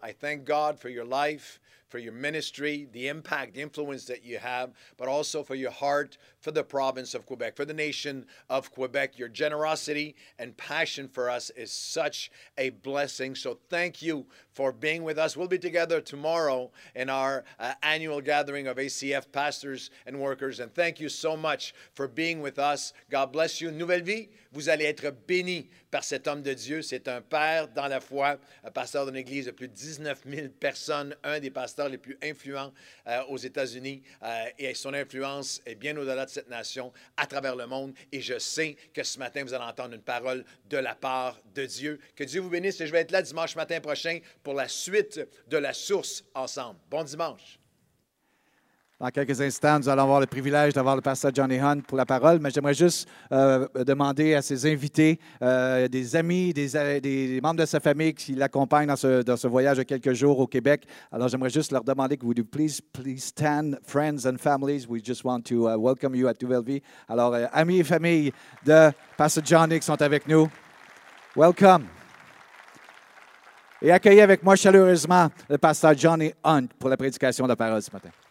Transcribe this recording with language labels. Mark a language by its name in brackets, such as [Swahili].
[English] I thank God for your life, for your ministry, the impact, the influence that you have, but also for your heart for the province of Quebec, for the nation of Quebec. Your generosity and passion for us is such a blessing. So thank you for being with us. We'll be together tomorrow in our annual gathering of ACF pastors and workers. And thank you so much for being with us. God bless you. [French] Nouvelle Vie, vous allez être bénis par cet homme de Dieu. C'est un père dans la foi, un pasteur d'une église de plus de 19 000 personnes, un des pasteurs les plus influents aux États-Unis. Et son influence est bien au-delà de cette nation, à travers le monde. Et je sais que ce matin, vous allez entendre une parole de la part de Dieu. Que Dieu vous bénisse et je vais être là dimanche matin prochain pour la suite de La Source ensemble. Bon dimanche. Dans quelques instants, nous allons avoir le privilège d'avoir le pasteur Johnny Hunt pour la parole, mais j'aimerais juste demander à ses invités, des amis, des membres de sa famille qui l'accompagnent dans ce voyage de quelques jours au Québec. Alors, j'aimerais juste leur demander que vous [English] please stand, friends and families. We just want to welcome you at Nouvelle Vie. [French] Alors, amis et familles de pasteur Johnny qui sont avec nous, welcome. Et accueillez avec moi chaleureusement le pasteur Johnny Hunt pour la prédication de la parole ce matin.